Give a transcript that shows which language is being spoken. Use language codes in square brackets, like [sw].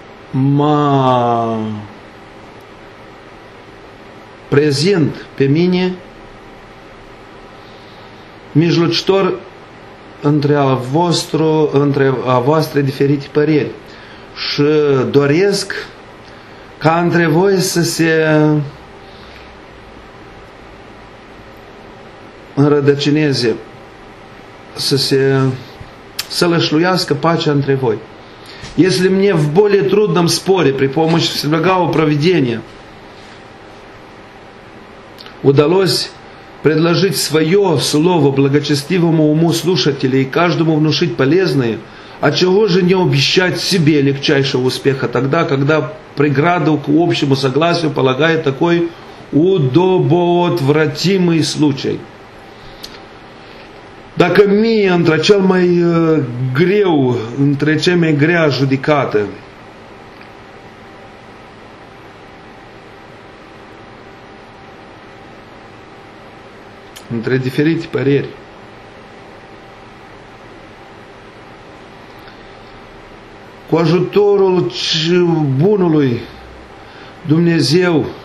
[ro] mă prezint pe mine mijlocitor între a voastre diferite păreri și doresc ca între voi să se înrădăcineze, să lășluiască pacea între voi. [ru] Если мне в более трудном споре при помощи Всеблагого Провидения удалось предложить свое слово благочестивому уму слушателей и каждому внушить полезное, а чего же не обещать себе легчайшего успеха тогда, когда преграду к общему согласию полагает такой удобоотвратимый случай? [ro] Dacă mie, între cel mai greu, între cea mai grea judecată, între diferite păreri, cu ajutorul bunului Dumnezeu